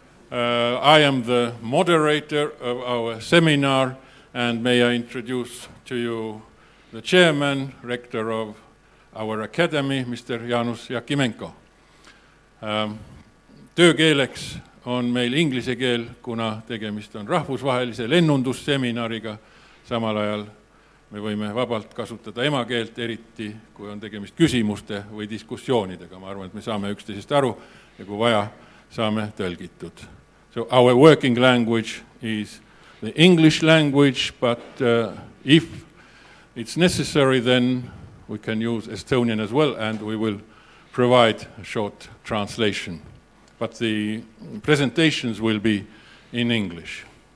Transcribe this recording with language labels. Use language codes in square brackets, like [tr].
[en] I am the moderator of our seminar, and may I introduce to you the chairman, rector of our academy, Mr. Jaanus Jakimenko. [et] Töökeeleks on meil inglise keel, kuna tegemist on rahvusvahelise lennundusseminariga. Samal ajal me võime vabalt kasutada emakeelt, eriti kui on tegemist küsimuste või diskussioonidega. Ma arvan, et me saame üksteisest aru ja kui vaja, saame tõlgitud. [en] So our working language is the English language, but if it's necessary, then we can use Estonian as well, and we will provide a short translation. But the presentations will be in English.